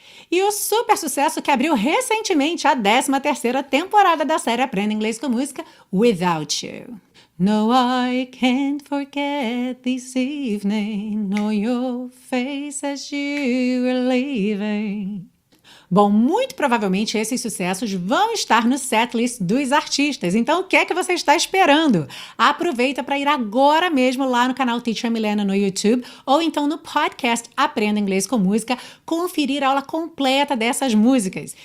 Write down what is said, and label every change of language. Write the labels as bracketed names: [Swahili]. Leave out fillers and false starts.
[Portuguese] E o super sucesso que abriu recentemente a 13ª temporada da série Aprenda Inglês com Música, Without You. [English] No, I can't forget this evening, no, your face as you were leaving. [Portuguese] Bom, muito provavelmente esses sucessos vão estar no setlist dos artistas. Então, o que é que você está esperando? Aproveita para ir agora mesmo lá no canal Teacher Milena no YouTube ou então no podcast Aprenda Inglês com Música, conferir a aula completa dessas músicas.